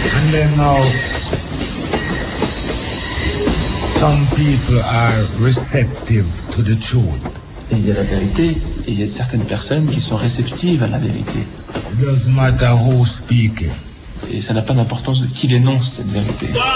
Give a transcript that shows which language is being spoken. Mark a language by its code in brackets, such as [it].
[en] And then now, some people are receptive to the truth. [fr] Et il y a la vérité, et il y a certaines personnes qui sont réceptives à la vérité. [en] It doesn't matter who speaks it. [fr] Et ça n'a pas d'importance de qui l'énonce, cette vérité.